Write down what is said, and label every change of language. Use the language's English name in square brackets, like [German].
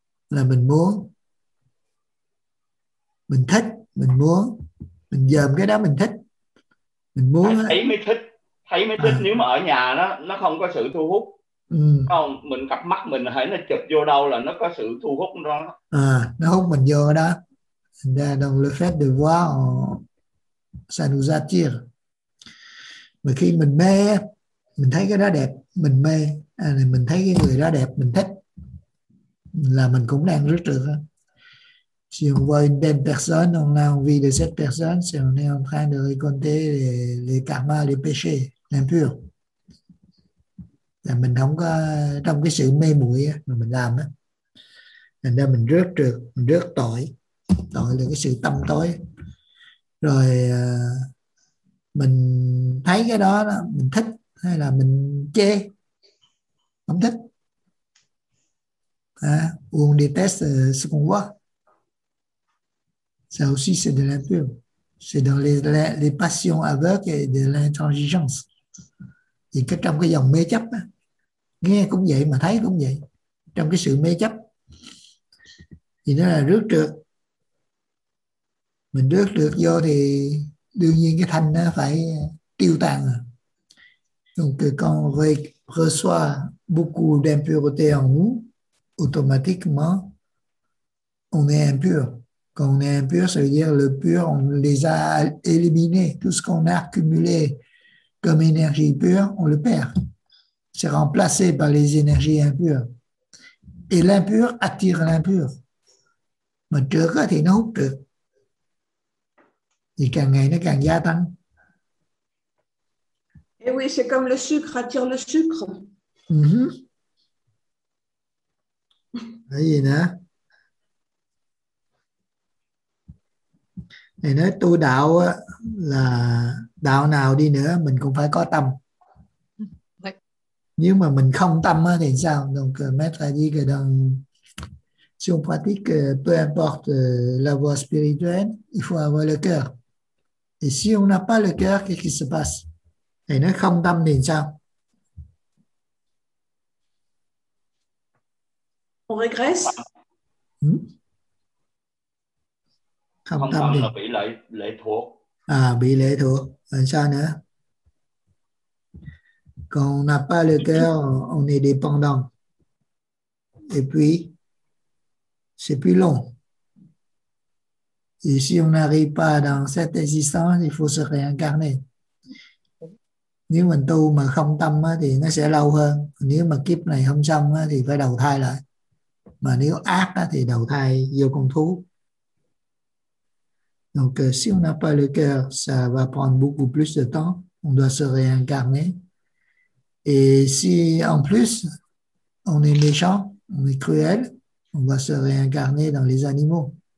[Vietnamese] Là mình muốn, mình thích, mình muốn, mình dòm cái đó mình thích, mình muốn. Thấy mới thích. Nếu mà ở nhà nó không có sự thu hút. Không, mình cặp mắt mình hãy nó chụp vô đâu là nó có sự thu hút đó. Nó hút mình vô đó. [French] Donc le fait de voir, ça nous attire. [Vietnamese] Mà khi mình mê, mình thấy cái đó đẹp, mình mê, mình thấy cái người đó đẹp, mình thích, là mình cũng đang rất được. [French] Si on voit une belle personne, on a envie de cette personne, si on est en train de récolter les karma, les péchés, l'impur. [Vietnamese] Là mình không có trong cái sự mê muội mà mình làm á. Thành ra mình rước trượt, mình rước tội. Tội là cái sự tâm tối. Rồi mình thấy cái đó, đó mình thích hay là mình chê, không thích. [French] Ou on déteste ce qu'on voit. Ça aussi c'est de l'impur. C'est dans les passions aveugles et de l'intransigeance. [Vietnamese] Thì cái trong cái dòng mê chấp á, nghe cũng vậy mà thấy cũng vậy, trong cái sự mê chấp thì nó là rước trượt. Mình rước trượt vô thì đương nhiên cái thanh nó phải tiêu tan rồi. [French] Donc quand on reçoit beaucoup d'impureté en nous, automatiquement on est impur. Quand on est impur, ça veut dire le pur, on les a éliminés. Tout ce qu'on a accumulé comme énergie pure, on le perd. C'est remplacé par les énergies impures. Et l'impur attire l'impur. [Vietnamese] Mình trở ra thì nó hút được. Thì càng ngày nó càng gia tăng. [French] Et oui, c'est comme le sucre attire le sucre. [Vietnamese] Vậy gì nữa? Thì nói tu đạo là đạo nào đi nữa mình cũng phải có tâm. Nếu mà mình không tâm thì sao? [French] Donc, mettre à dire que dans, si on pratique, peu importe la voie spirituelle, il faut avoir le cœur. Et si on n'a pas le cœur, qu'est-ce qui se passe? [Vietnamese] Thì nói không tâm thì sao? [French] On régresse. [Vietnamese] Không tâm thì... là bị lệ thuộc. À, bị lệ thuộc. Rồi sao nữa? [French] Quand on n'a pas le cœur, on est dépendant. Et puis, c'est plus long. Et si on n'arrive pas dans cette existence, il faut se réincarner. [Vietnamese] Nếu mình tu mà không tâm thì nó sẽ lâu hơn. Nếu mà kiếp này không xong thì phải đầu thai lại. Mà nếu ác thì đầu thai vô con thú. [French] Donc, si on n'a pas le cœur, ça va prendre beaucoup plus de temps. On doit se réincarner. Et si, en plus, on est méchant, on est cruel, on va se réincarner dans les animaux.